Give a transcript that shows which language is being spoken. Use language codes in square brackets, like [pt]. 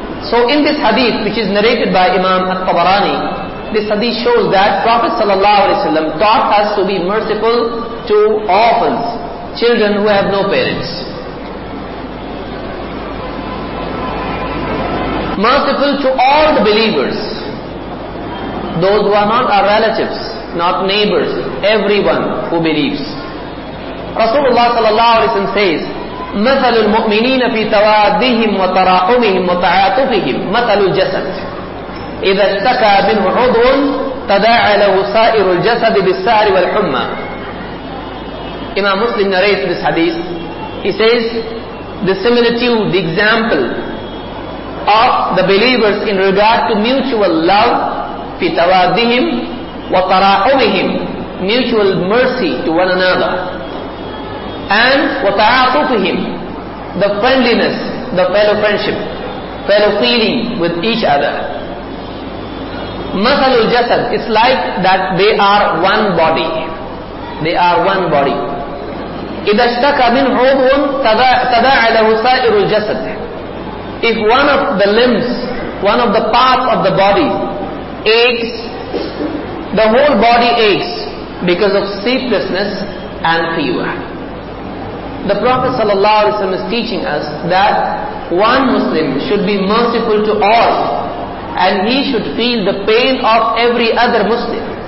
[en] So in this hadith, which is narrated by Imam At-Tabarani, this hadith shows that Prophet sallallahu alaihi wasallam taught us to be merciful to orphans, children who have no parents. Merciful to all the believers, those who are not our relatives, not neighbors, everyone who believes. [ar] Rasulullah sallallahu alaihi wasallam says, مثل المؤمنين في توادهم وتراحمهم وتعاطفهم مثل الجسد إذا اتكى منه عضو تداعى له سائر الجسد بالسهر والحمى. [en] Imam Muslim narrates this hadith. He says, the similitude, the example of the believers in regard to mutual love, [ar] في توادهم وتراحمهم, [en] mutual mercy to one another, and [ar] وتعاطفهم, [en] the friendliness, the fellow friendship, fellow feeling with each other. [ar] مثل الجسد, [en] it's like that they are one body. They are one body. [ar] إذا اشتكى منه عضو تداعى له سائر الجسد. [en] If one of the limbs, one of the parts of the body aches, the whole body aches because of sleeplessness and fever. The Prophet sallallahu alaihi wasallam is teaching us that one Muslim should be merciful to all, and he should feel the pain of every other Muslim.